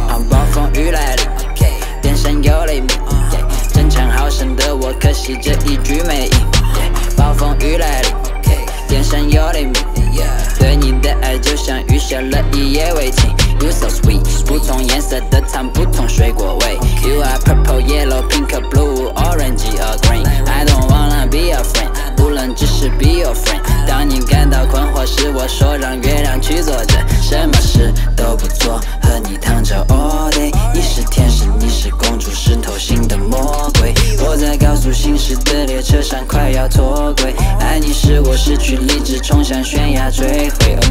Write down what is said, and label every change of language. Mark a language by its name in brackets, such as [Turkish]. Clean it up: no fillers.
[Chinese] 暴风雨来临，电闪又雷鸣，争强好胜的我，可惜这一局没赢。暴风雨来临，电闪又雷鸣，对你的爱就像雨下了一夜未停。 You so sweet，不同颜色的糖，不同水果味。 [English] You are purple, yellow, pink, blue, orange or green. I don't wanna be a friend，不能只是 be your friend。 [Chinese] 当你感到困惑时，我说让月亮去坐着，什么事都不做，和你躺着 all day。你是天使，你是公主，是偷心的魔鬼。我在高速行驶的列车上快要脱轨，爱你使我失去理智，冲向悬崖坠毁。